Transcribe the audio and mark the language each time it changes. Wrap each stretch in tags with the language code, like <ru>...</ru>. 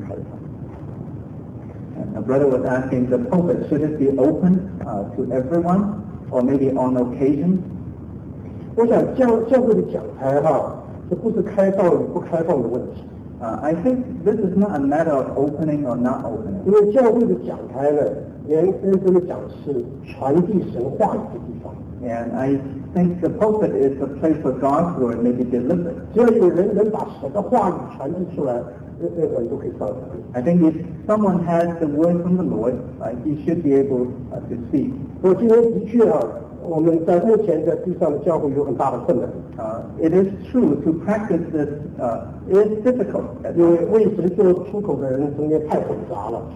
<en>And a brother was asking the pulpit, should it be open to everyone, or maybe on occasion?</en> <zh>我想教会的讲台哈，这不是开放与不开放的问题。</zh> <en>I think this is not a matter of opening or not opening.</en> <zh>因为教会的讲台呢，连真正的讲是传递神话语的地方。</zh> <en>And I think the pulpit is a place for God's word may be delivered.</en> <zh>只要有人能把神的话语传递出来，那个人就可以上台。</zh> <en>I think if someone has the word from the Lord, he should be able to speak.</en> <zh>我今天的确啊。我们在目前在地上的教会有很大的困难。</zh> <en>It is true to practice this is difficult.</en> <zh>因为为神做出口的人中间太混杂了。</zh>